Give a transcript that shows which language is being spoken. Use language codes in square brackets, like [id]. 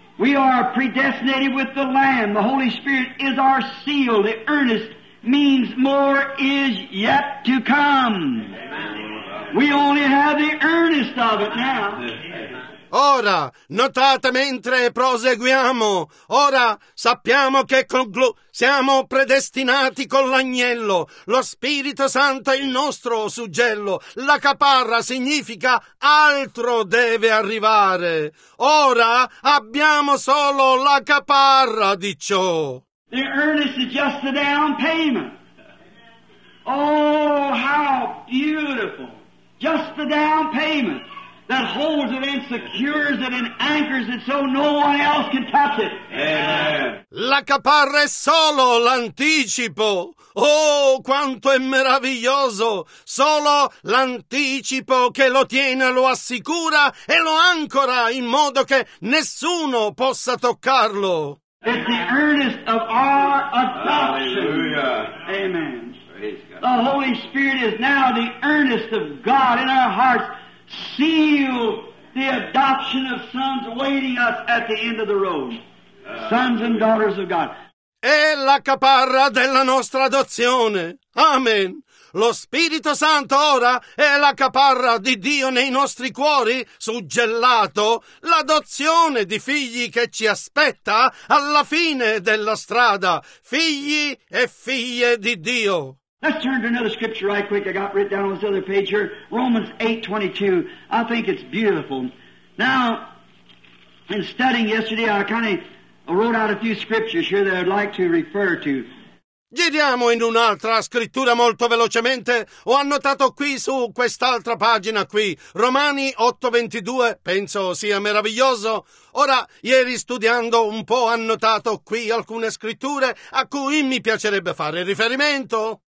[en] We are predestinated with the Lamb. The Holy Spirit is our seal. The earnest means more is yet to come. We only have the earnest of it now. [it] Ora, notate mentre proseguiamo. Ora sappiamo che siamo predestinati con l'agnello. Lo Spirito Santo è il nostro suggello. La caparra significa altro deve arrivare. Ora abbiamo solo la caparra di ciò. [en] The earnest is just the down payment. Oh, how beautiful. Just the down payment. that holds it and secures it and anchors it so no one else can touch it. Amen. [it] La caparra è solo l'anticipo. Oh, quanto è meraviglioso! Solo l'anticipo che lo tiene, lo assicura e lo ancora in modo che nessuno possa toccarlo. [en] It's the earnest of our adoption. Hallelujah. Amen. The Holy Spirit is now the earnest of God in our hearts. Seal the adoption of sons awaiting us at the end of the road. Sons and daughters of God. [it] È la caparra della nostra adozione. Amen. Lo Spirito Santo ora è la caparra di Dio nei nostri cuori, suggellato, l'adozione di figli che ci aspetta alla fine della strada, figli e figlie di Dio. [en] Let's turn to another scripture right quick. I got written down on this other page here. Romans 8:22. I think it's beautiful. Now, in studying yesterday, I kind of wrote out a few scriptures here that I'd like to refer to. [it] Giriamo in un'altra scrittura molto velocemente. Ho annotato qui su quest'altra pagina qui, Romani 8:22, penso sia meraviglioso. Ora, ieri studiando un po', ho annotato qui alcune scritture a cui mi piacerebbe fare riferimento.